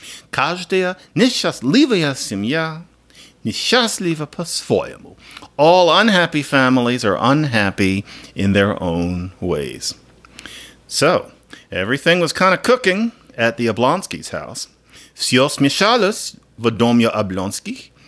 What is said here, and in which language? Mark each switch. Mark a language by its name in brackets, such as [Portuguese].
[Russian] Каждая несчастливая семья несчастлива по-своему. [English] All unhappy families are unhappy in their own ways. So, everything was kind of cooking at the Oblonsky's house. [Russian] Все смешалось в доме Облонски.